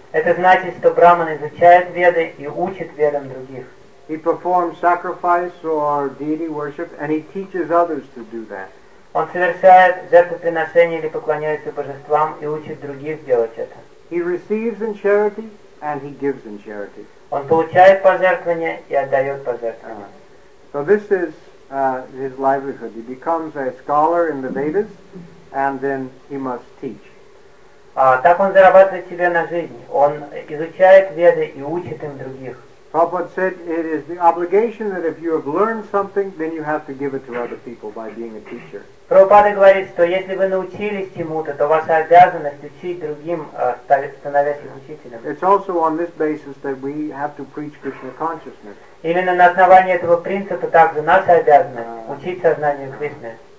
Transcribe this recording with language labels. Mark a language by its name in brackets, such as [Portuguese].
[Russian] Это значит, что брахман изучает веды и учит ведам других. [English] He performs sacrifice or deity worship and he teaches others to do that. [Russian] Он совершает жертвоприношение или поклоняется божествам и учит других делать это. [English] He receives in charity and he gives in charity. [Russian] Он получает пожертвования и отдает пожертвования. [English] So this is his livelihood. He becomes a scholar in the Vedas and then he must teach. [Russian] Так он зарабатывает себе на жизнь. Он изучает веды и учит им других. [English] Prabhupada said it is the obligation that if you have learned something, then you have to give it to other people by being a teacher. [Russian] Prabhupada говорит, что если вы научились чему-то, то ваша обязанность учить другим, становясь учителем. [English] It's also on this basis that we have to preach Krishna consciousness. [Russian] Именно на основании этого принципа также наша обязанность учить сознанию Кришны.